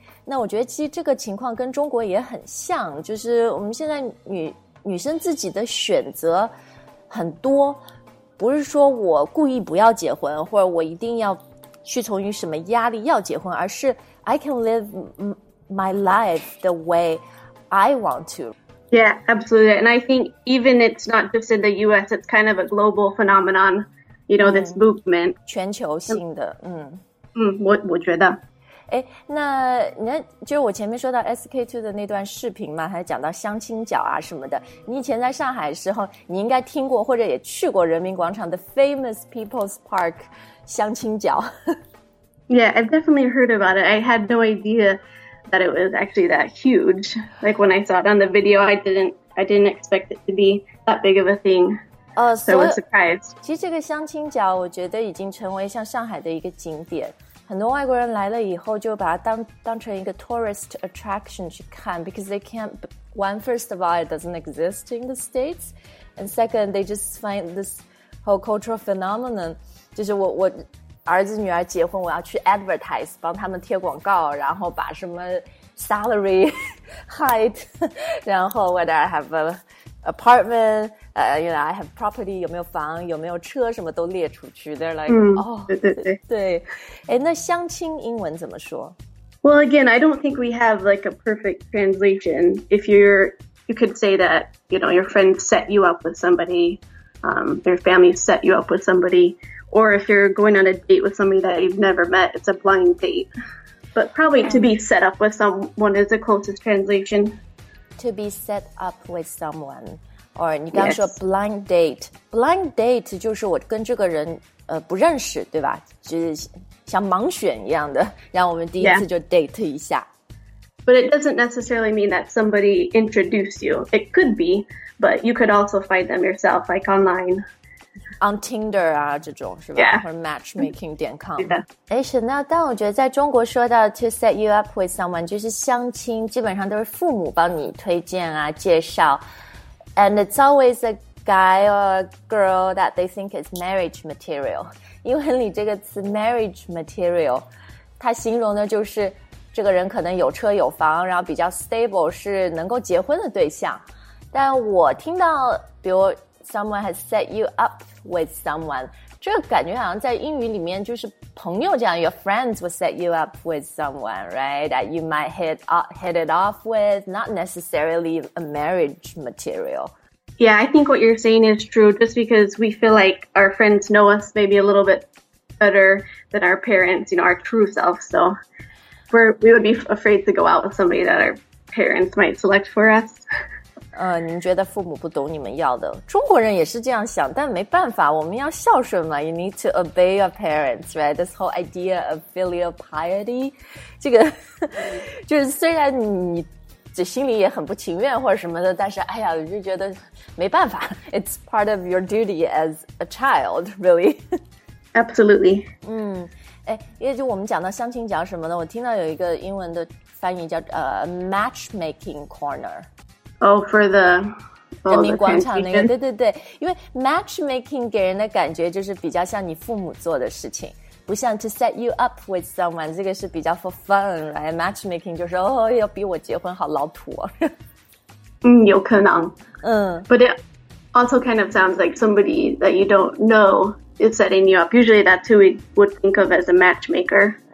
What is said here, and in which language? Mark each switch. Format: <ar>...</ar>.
<zh>那我觉得其实这个情况跟中国也很像就是我们现在 女生自己的选择很多不是说我故意不要结婚或者我一定要屈从于什么压力要结婚而是</zh> <en>I can live my life the way I want to. Yeah, absolutely. And I think even it's not just in the US, it's kind of a global phenomenon, you know, this movement.</en> <zh>全球性的我觉得。哎，那你看，就是我前面说到 SK2 的那段视频嘛，还讲到相亲角啊什么的。你以前在上海的时候，你应该听过或者也去过人民广场的 Famous People's Park 相亲角。</zh> <en>Yeah, I've definitely heard about it. I had no idea that it was actually that huge. Like when I saw it on the video, I didn't expect it to be that big of a thing. So I was surprised.</en> <zh>其实这个相亲角，我觉得已经成为像上海的一个景点。很多外国人来了以后就把它 当成一个 tourist attraction 去看</zh> <en>because they can't one first of all it doesn't exist in the states and second they just find this whole cultural phenomenon</en> <zh>就是我儿子女儿结婚我要去 advertise 帮他们贴广告然后把什么 salary height 然后</zh> <en>whether I have an apartment you know I have property</en> <zh>有没有房有没有车什么都列出去</zh> <en>they're like oh</en> <zh>对诶那相亲英文怎么说</zh> <en>well again I don't think we have like a perfect translation if you could say that you know your friends set you up with somebody your family set you up with somebody or if you're going on a date with somebody that you've never met it's a blind date but probably to be set up with someone is the closest translation To be set up with someone, or</en> <zh>你刚刚说</zh> <en>blind date.</en> <zh>Blind date 就是我跟这个人不认识，对吧？就是像盲选一样的，让我们第一次就 date 一下。</zh> <en>But it doesn't necessarily mean that somebody introduced you. It could be, but you could also find them yourself, like online.</en> <zh>On Tinder 啊，这种是吧？</zh> <en>Yeah.</en> <zh>或者 matchmaking.com. 对的。哎，沈娜，但我觉得在中国说到</zh> <en>to set you up with someone,</en> <zh>就是相亲基本上都是父母帮你推荐啊，介绍。</zh> <en>And it's always a guy or a girl that they think is marriage material.</en> <zh>英文里这个词</zh> <en>marriage material,</en> <zh>它形容的就是这个人可能有车有房，然后比较 stable， 是能够结婚的对象。但我听到比如</zh> <en>someone has set you up with someone，</en> <zh>这个感觉好像在英语里面就是朋友这样，</zh> <en>your friends will set you up with someone， right? That you might hit it off with， not necessarily a marriage material。 Yeah, I think what you're saying is true. Just because we feel like our friends know us maybe a little bit better than our parents, you know, our true self. So we would be afraid to go out with somebody that our parents might select for us.</en> <zh>你觉得父母不懂你们要的？中国人也是这样想，但没办法，我们要孝顺嘛。</zh> <en>You need to obey your parents, right? This whole idea of filial piety.</en> <zh>这个就是虽然你这心里也很不情愿或者什么的，但是哎呀，我就觉得没办法。</zh> <en>It's part of your duty as a child, really. Absolutely.</en> <zh>因为就我们讲到相亲讲什么呢？我听到有一个英文的翻译叫matchmaking corner.</zh> <en>Oh, for the</en> <zh>人民广场那个，对对对，因为 matchmaking 给人的感觉就是比较像你父母做的事情。不像</zh> <en>to set you up with someone，</en> <zh>这个是比较 for fun， right？ Matchmaking 就是哦，要逼我结婚，好老土哦。有可能。</zh> <en>But it also kind of sounds like somebody that you don't know is setting you up. Usually that's who we would think of as a matchmaker.</en>